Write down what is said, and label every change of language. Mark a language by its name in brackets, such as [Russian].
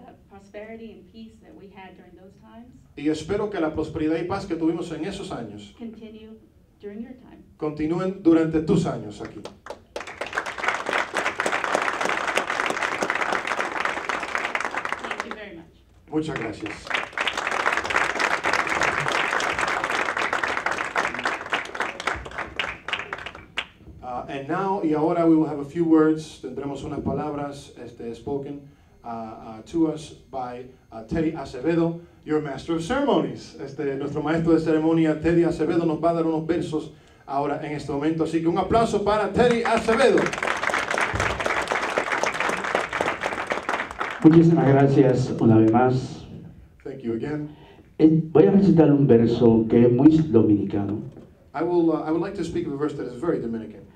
[English] Prosperity and peace that we had during those times. [Spanish] Y espero que la prosperidad y paz que tuvimos en esos años [English] continue during your time. [Spanish] Continúen durante tus años aquí. [English] Thank you very much. [Spanish] Muchas gracias. [English] And now, [Spanish] y ahora, [English] we will have a few words. [Spanish] Tendremos unas palabras [English] spoken. To us by Teddy Acevedo, your master of ceremonies. [Spanish] Nuestro maestro de ceremonia, Teddy Acevedo, nos va a dar unos versos ahora en este momento. Así que un aplauso para Teddy Acevedo. Muchísimas gracias una vez más. [English] Thank you again. [Spanish] Voy a recitar un verso que es muy dominicano. [English] I would like to speak of a verse that is very Dominican.